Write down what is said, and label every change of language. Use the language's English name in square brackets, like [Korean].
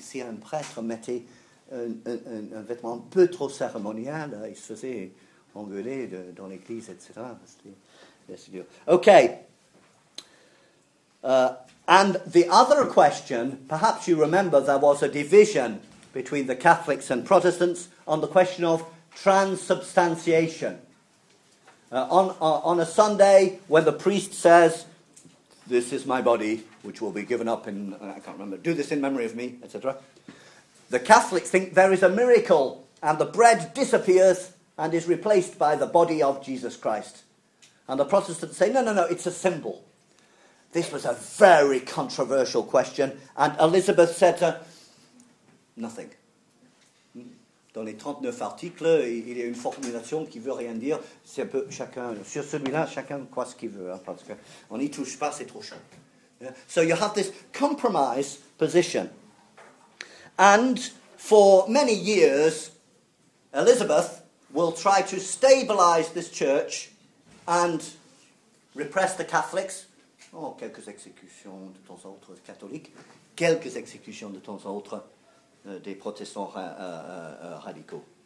[French] Si un prêtre mettait un vêtement un peu trop cérémonial, il se faisait engueuler dans l'église, etc. C'est dur. OK. [English] And the other question, perhaps you remember there was a division between the Catholics and Protestants on the question of transubstantiation. On a Sunday, when the priest says, this is my body, which will be given up in, I can't remember, do this in memory of me, etc. The Catholics think there is a miracle, and the bread disappears and is replaced by the body of Jesus Christ. And the Protestants say, no, it's a symbol. This was a very controversial question, and Elizabeth said nothing. [French] Dans les 39 articles, il y a une formulation qui veut rien dire. C'est un peu chacun, sur celui-là, chacun croit ce qu'il veut, hein, parce qu'on n'y touche pas, c'est trop chaud. [English] Yeah. So you have this compromise position. And for many years, Elizabeth will try to stabilize this church and repress the Catholics. [French] Oh, quelques exécutions de temps à autre catholiques. Quelques exécutions de temps à autre des protestants radicaux.